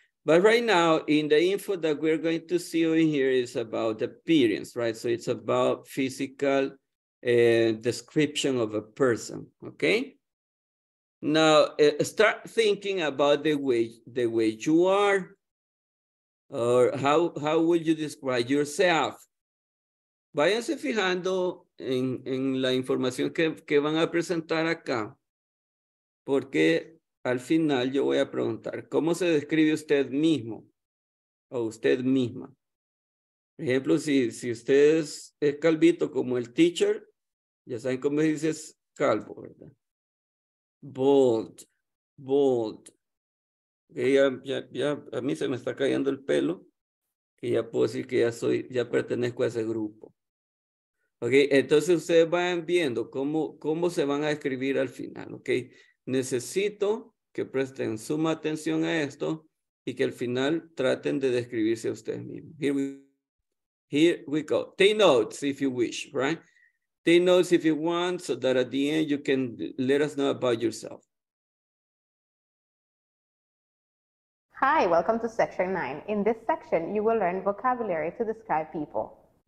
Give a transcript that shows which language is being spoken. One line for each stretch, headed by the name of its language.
English: But right now, in the info that we're going to see over here is about appearance, right? So it's about physical a description of a person, okay? Now, start thinking about the way you are, or how would you describe yourself?
Spanish: Váyanse fijando en la información que van a presentar acá, porque al final yo voy a preguntar, ¿cómo se describe usted mismo o usted misma? Por ejemplo, si usted es calvito como el teacher, ya saben cómo dices calvo, ¿verdad?
English: Bold, bold.
Spanish: Ya, a mí se me está cayendo el pelo. Y ya puedo decir que ya pertenezco a ese grupo. Ok, entonces ustedes vayan viendo cómo se van a escribir al final, ok. Necesito que presten suma atención a esto y que al final traten de describirse a ustedes mismos.
English: Here we go. Take notes if you wish, right? Take notes if you want, so that at the end you can let us know about yourself. Hi, welcome to section 9. In this section, you will learn vocabulary to describe people.